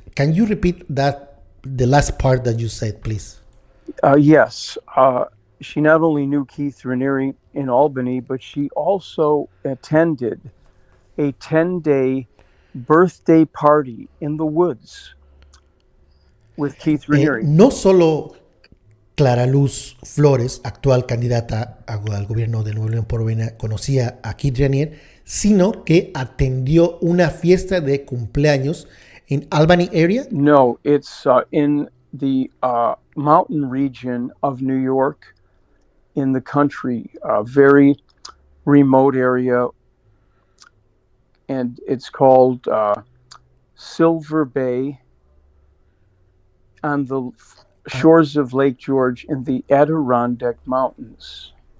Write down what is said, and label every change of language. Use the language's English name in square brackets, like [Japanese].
[English] Can you repeat the last part that you said, please? Yes, she not only knew Keith Raniere in Albany, but she also attended a 10-day birthday party in the woods with Keith Raniere. [Spanish] No solo Clara Luz Flores, actual candidata al gobierno de Nuevo León por Morena, conocía a Keith Raniere, sino que atendió una fiesta de cumpleaños en Albany Area. [English] No, it's in the mountain region of New York in the country, a very remote area, and it's called Silver Bay on the shores of Lake George in the Adirondack Mountains.